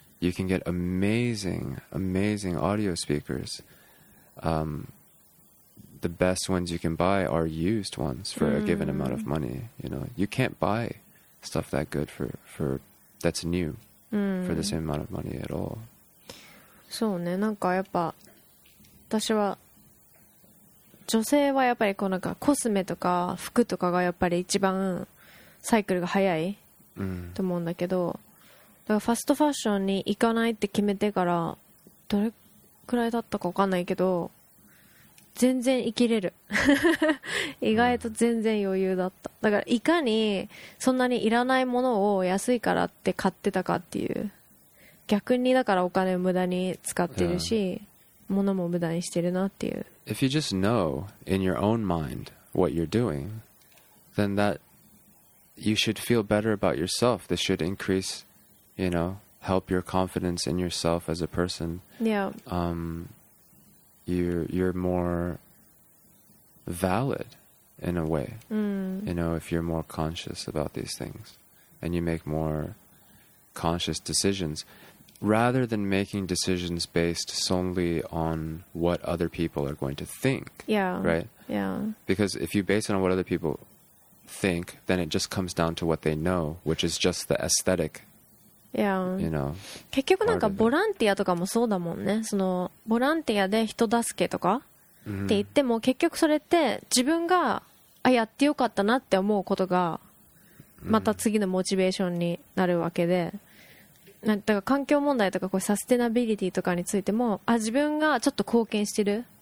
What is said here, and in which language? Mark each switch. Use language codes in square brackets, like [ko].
[en] You can get amazing, amazing audio speakers. The best ones you can buy are used ones for a given amount of money. You know, you can't buy stuff that good for that's new、for the same amount of money at all. [ja] そうね、なんかやっぱ私は女性はやっぱりこうなんかコスメとか服とかがやっぱり一番サイクルが早いと思うんだけど、うん、だからファストファッションに行かないって決めてからどれくらい経ったか分かんないけど全然生きれる意外と全然余裕だった、うん、だからいかにそんなにいらないものを安いからって買ってたかっていう、逆にだからお金を無駄に使ってるし、物も無駄にしてるなっていう。 [en] If you just know in your own mind what you're doing, then that you should feel better about yourself. This should increase, you know, help your confidence in yourself as a person. Yeah. You're more valid in a way. You know, if you're more conscious about these things and you make more conscious decisions. Rather than making decisions based solely on what other people are going to think. Yeah. Right? Yeah. Because if you base it on what other people think, then it just comes down to what they know, which is just the aesthetic. Yeah. You know. [ja] 結局なんかボランティアとかもそうだもんね。そのボランティアで人助けとかって言っても、結局それって自分がやってよかったなって思うことがまた次のモチベーションになるわけで。なんか環境問題とかこうサステナビリティとかについても、あ、自分がちょっと貢献してる、